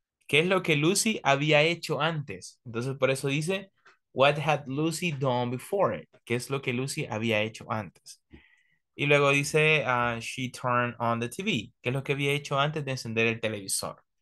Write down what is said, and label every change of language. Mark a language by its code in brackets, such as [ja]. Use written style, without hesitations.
[es] ¿Qué es lo que Lucy había hecho antes? Entonces, por eso dice, [en] what had Lucy done before? [es] ¿Qué es lo que Lucy había hecho antes? Y luego dice, [en] she turned on the TV. [es] ¿Qué es lo que había hecho antes de encender el televisor?